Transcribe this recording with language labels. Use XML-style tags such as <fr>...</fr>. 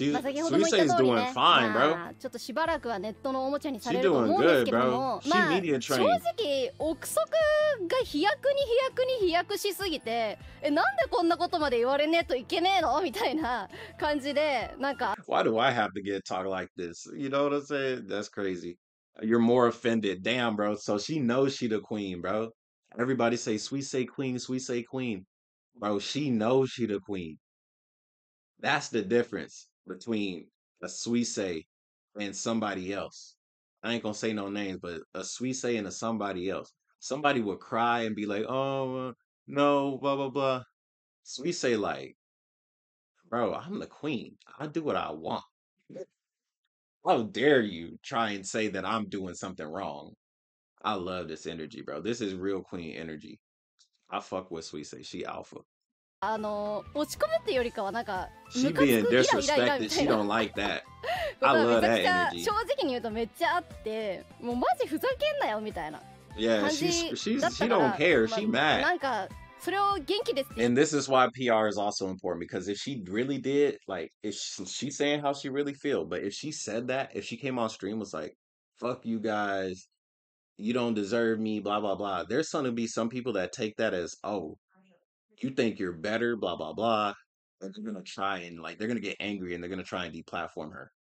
<ja>まあ、先ほども言った通りね、まあ、ちょっとしばらくはネットのおもちゃにされると思うんですけども、まあ、正直、憶測が飛躍に飛躍に飛躍しすぎて、え、なんでこんなことまで言われねえといけねえのみたいな感じで、なんか。</ja> <en>Why do I have to get talked like this? You know what I'm saying? That's crazy. You're more offended. Damn, bro. So she knows she the queen, bro. Everybody say, Suisei queen, Suisei queen. Bro, she knows she the queen. That's the difference between a Suisei and somebody else. I ain't gonna say no names, but a Suisei and a somebody else. Somebody would cry and be like, oh, no, blah, blah, blah. Suisei like, bro, I'm the queen. I do what I want. How dare you try and say that I'm doing something wrong? I love this energy, bro. This is real queen energy. I fuck with Suisei. She alpha.</en> <ja>あの落ち込むってよりかはなんかムカつくイライライラみたいな。</ja> <en>Like、that. I love that energy.</en> <ja>正直に言うとめっちゃあって、もうマジふざけんなよみたいな感じだったから。</ja> <en>Yeah, she don't care. She mad.</en> <ja>なんかそれを元気です。</ja> <en>And this is why PR is also important, because if she really did, like, if she's saying how she really feel, but if she said that, if she came on stream was like, fuck you guys, you don't deserve me, blah, blah, blah, there's gonna be some people that take that as, oh, you think you're better, blah, blah, blah, and they're gonna try and, like, they're gonna get angry and they're gonna try and deplatform her.</en>